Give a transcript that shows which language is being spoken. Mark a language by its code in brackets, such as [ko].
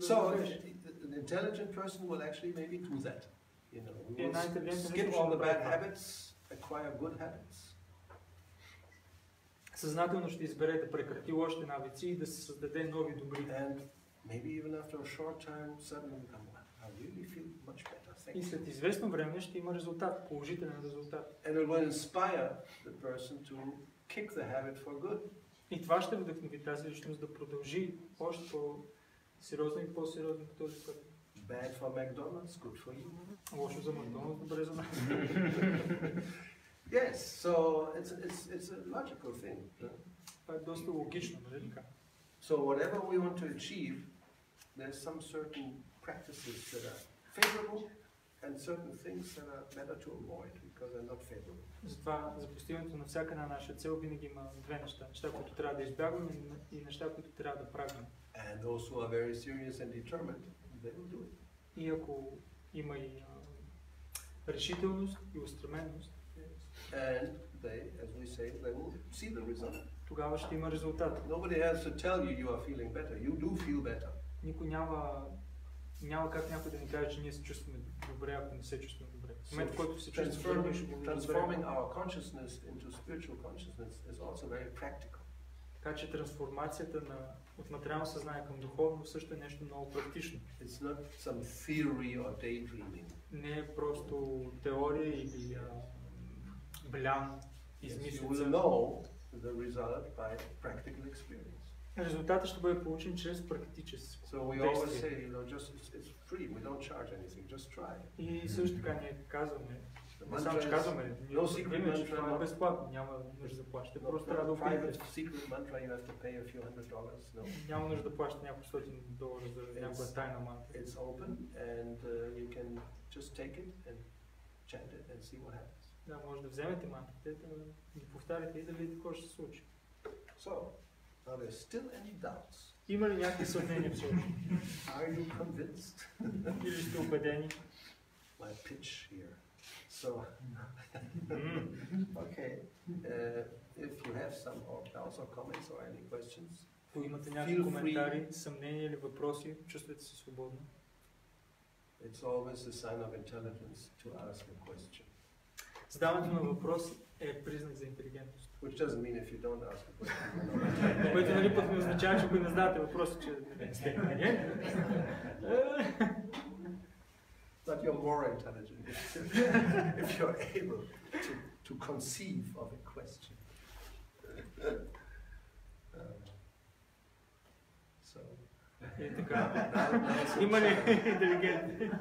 [en] So, an intelligent person will actually maybe do that. You know, we will skip all the bad habits, acquire good habits. [bg] Съзнателно ще избере да прекрати лошите навици и да се създаде нови добри. [en] And maybe even after a short time, suddenly come back. I really feel much better. Thank you. [bg] И след известно време ще има резултат, положителен резултат. [en] And it will inspire the person to kick the habit for good. [bg] И това ще вдъхнови тази личност да продължи още по-сериозно и по-сериозно по този път. [en] Bad for McDonald's, good for you. [bg] Лошо за Макдоналдс, добре за нас. [en] Yes, so it's a logical thing. [bg] Това е доста логично, нали? [en] So whatever we want to achieve, there's some certain practices that are favorable and certain things that are better to avoid because they're not favorable. [bg] Затова за постигането на всяка една наша цел винаги има две неща. Неща, които трябва да избягваме и неща, които трябва да правим. [en] And those who are very serious and determined, they will do it. [bg] И ако има и решителност и устременост, [en] and they, as we say, they will see the result. [bg] Тогава ще има резултат. [en] Nobody has to tell you you are feeling better. You do feel better. [bg] Никой няма как някой да ни каже, че ние се чувстваме добре, ако не се чувстваме добре. В момента, в който се чувстваме, ще бъде добре. [en] Transforming our consciousness into spiritual consciousness is also very practical. [bg] Така че трансформацията от материално съзнание към духовно също е нещо много практично. [en] It's not some theory or daydreaming. [bg] Не е просто теория или блям, измислица. [en] You will know the result by practical experience. [bg] Резултатът ще бъде получен чрез практическо действие. [en] So we always say, you know, just it's free, we don't charge anything, just try. [bg] И също така ние казваме, [en] no secret mantra, [bg] това е безплатно, няма нужда да плащате, просто трябва да опитате. [en] Secret mantra, you have to pay a few hundred dollars, no. [bg] Няма нужда да плащате някои стотин долара за някоя тайна мантра. [en] It's open and you can just take it and chant it and see what happens. [bg] Да, може да вземете мантрите, да ги повтаряте и да видите какво ще се случи. [en] So, are there still any doubts? [bg] Има ли някакви съмнения все още? [en] Are you convinced? [bg] Или сте убедени? [en] My pitch here. So, okay. If you have some doubts or comments or any questions, [bg] ако имате някакви коментари, съмнения или въпроси, чувствайте се свободно. [en] It's always a sign of intelligence to ask a question. [bg] Задаването на въпрос е признак за интелигентност. [en] Which doesn't mean if you don't ask a question. [bg] Което нали път ми означава, че ако не знаете въпроса, че сте интелигентен. [en] But you're more intelligent if you're able to conceive of a question. So. [bg] И така. Има ли интелигент?